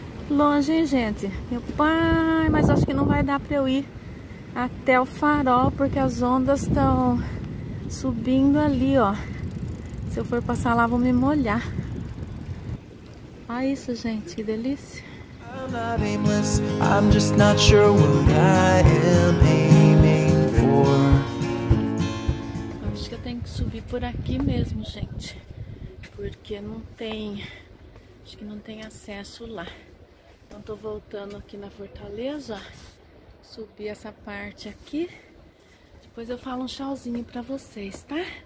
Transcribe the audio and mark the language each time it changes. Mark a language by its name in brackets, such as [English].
[Portuguese] Longe, hein, gente? Meu pai, mas acho que não vai dar pra eu ir até o farol, porque as ondas estão subindo ali, ó. Se eu for passar lá, vou me molhar. Olha isso, gente, que delícia. [English] I'm not aimless, I'm just not sure what I am aiming for. [Portuguese] Acho que eu tenho que subir por aqui mesmo, gente. Porque não tem. Acho que não tem acesso lá. Então tô voltando aqui na fortaleza. Subir essa parte aqui. Depois eu falo um tchauzinho pra vocês, tá?